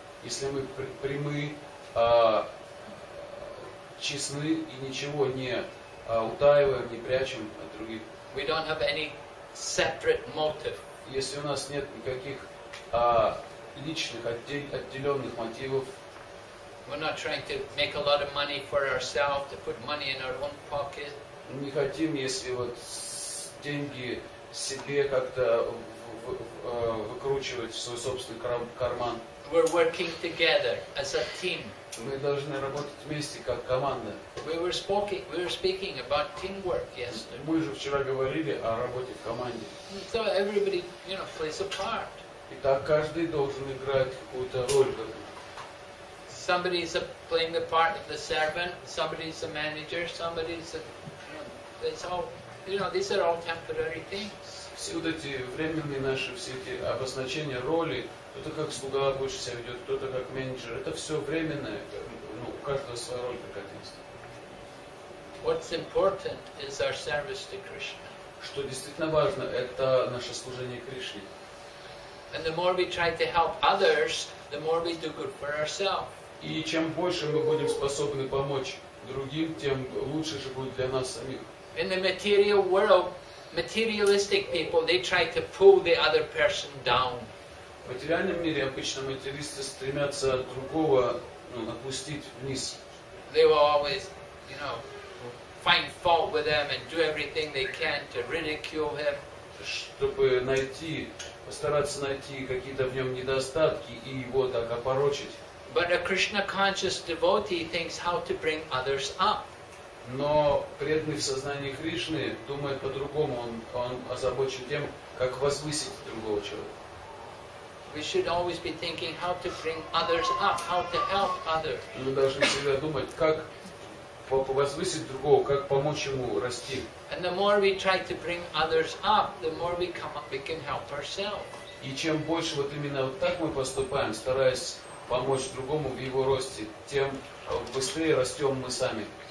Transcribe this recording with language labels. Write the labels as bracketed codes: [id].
[ru] Если мы прямы, честны и ничего не утаиваем, не прячем от других. [en] We don't have any separate motive. [ru] Если у нас нет никаких личных отделенных мотивов. [en] We're not trying to make a lot of money for ourselves, to put money in our own pocket. [ru] Не хотим, если вот деньги себе как-то выкручивать в свой собственный карман. [en] We're working together as a team. [ru] Мы должны работать вместе как команда. [en] We were speaking about teamwork yesterday. [ru] Мы же вчера говорили о работе в команде. [en] So everybody, you know, plays a part. [ru] Итак, каждый должен играть какую-то роль. [en] Somebody is playing the part of the servant. Somebody is the manager. Somebody is these are all temporary things. [ru] Все вот эти временные наши все эти обозначения роли, кто-то как слуга больше себя ведет, кто-то как менеджер, это все временное, ну, у каждого своя роль какая-то есть. [en] What's important is our service to Krishna. [ru] Что действительно важно, это наше служение Кришне. [en] And the more we try to help others, the more we do good for ourselves. [ru] И чем больше мы будем способны помочь другим, тем лучше же будет для нас самих. [en] In the material world, materialistic people, they try to pull the other person down. [ru] В материальном мире обычно материалисты стремятся другого, ну, опустить вниз. [en] They will always, you know, find fault with them and do everything they can to ridicule him. [ru] чтобы найти, постараться найти какие-то в нем недостатки и его так опорочить. [en] But a Krishna conscious devotee thinks how to bring others up. [ru] Но преданный в сознании Кришны думает по-другому, он озабочен тем, как возвысить другого человека. [en] We should always be thinking how to bring others up, how to help others. [ru] Мы должны всегда думать, как возвысить другого, как помочь ему расти. [en] And the more we try to bring others up, the more we come up, we can help ourselves. [ru] И чем больше вот именно вот так мы поступаем, стараясь помочь другому в его росте, тем быстрее растем мы сами.